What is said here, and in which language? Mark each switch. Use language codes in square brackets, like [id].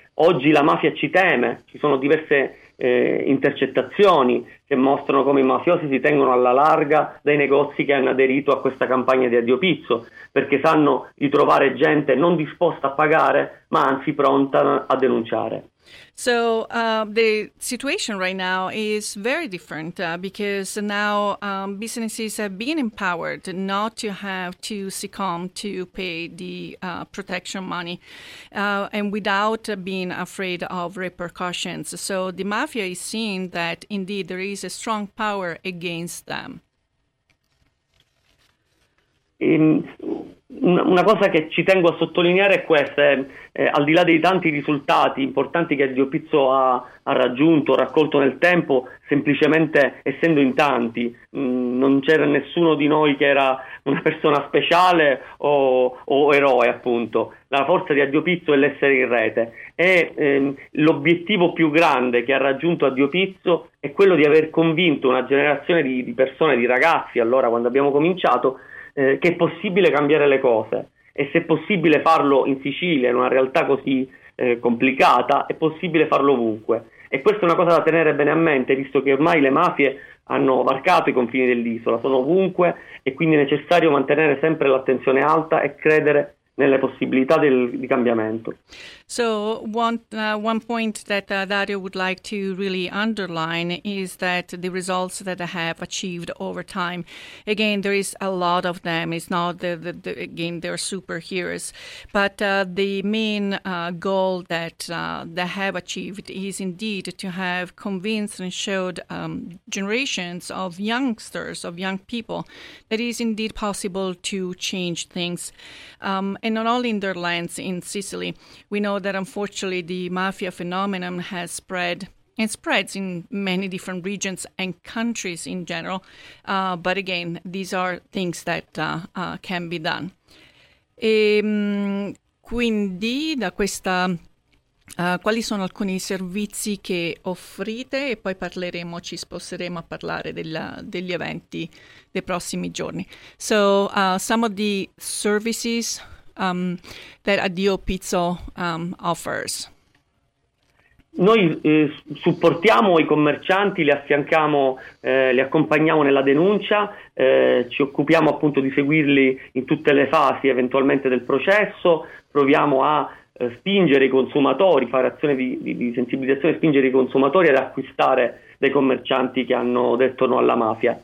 [it] Oggi la mafia ci teme, ci sono diverse intercettazioni che mostrano come i mafiosi si tengono alla larga dai negozi che hanno aderito a questa campagna di Addio Pizzo, perché sanno di trovare gente non disposta a pagare, ma anzi pronta a denunciare. [en] So the situation right now is very different because now businesses have been empowered not to have to succumb to pay the protection money and without being afraid of repercussions. So the mafia is seeing that indeed there is a strong power against them. [it] Una cosa che ci tengo a sottolineare è questa, al di là dei tanti risultati importanti che Addio Pizzo ha raggiunto, raccolto nel tempo, semplicemente essendo in tanti, non c'era nessuno di noi che era una persona speciale o eroe, appunto. La forza di Addio Pizzo è l'essere in rete. E l'obiettivo più grande che ha raggiunto Addio Pizzo è quello di aver convinto una generazione di persone, di ragazzi, allora quando abbiamo cominciato, che è possibile cambiare le cose e se è possibile farlo in Sicilia, in una realtà così complicata, è possibile farlo ovunque. E questa è una cosa da tenere bene a mente, visto che ormai le mafie hanno varcato i confini dell'isola, sono ovunque e quindi è necessario mantenere sempre l'attenzione alta e credere nelle possibilità di cambiamento. [en] So one point that Dario would like to really underline is that the results that I have achieved over time, again, there is a lot of them. It's not the again, they're superheroes, but the main goal that they have achieved is indeed to have convinced and showed generations of youngsters, of young people, that it is indeed possible to change things. And not only in their lands in Sicily. We know that unfortunately the mafia phenomenon has spread and spreads in many different regions and countries in general. But again, these are things that can be done. [it] E, quindi, da questa, quali sono alcuni servizi che offrite? E poi parleremo, ci sposteremo a parlare degli eventi dei prossimi giorni. [en] So, some of the services that Addio Pizzo offers. [it] Noi supportiamo i commercianti, li affianchiamo, li accompagniamo nella denuncia, ci occupiamo appunto di seguirli in tutte le fasi eventualmente del processo, proviamo a spingere i consumatori, fare azione di sensibilizzazione, spingere i consumatori ad acquistare dei commercianti che hanno detto no alla mafia.